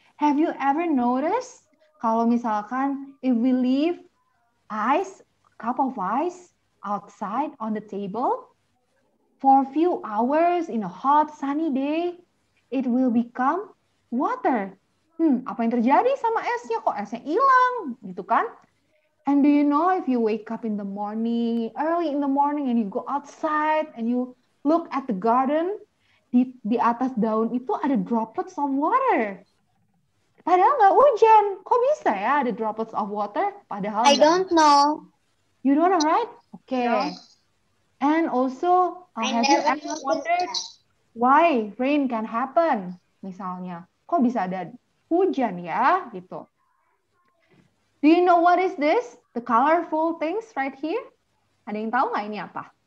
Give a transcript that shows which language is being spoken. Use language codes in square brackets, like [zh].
[en] Have you ever noticed [id] kalau misalkan [en] if we leave ice, cup of ice outside on the table for a few hours in a hot sunny day, it will become water. [id] Apa yang terjadi sama esnya? Kok esnya hilang? Gitu kan? [en] And do you know if you wake up in the morning, early in the morning, and you go outside and you look at the garden, [id] di atas daun itu ada [en] droplets of water. [id] Padahal nggak hujan. Kok bisa ya ada [en] droplets of water? [id] Padahal [en] I don't know. You don't know, right? Okay. Yeah. And also, have you ever wondered why rain can happen? [id] Misalnya, kok bisa ada hujan ya? Gitu. [en] Do you know what is this? The colorful things right here? [id] Ada yang tahu nggak ini apa?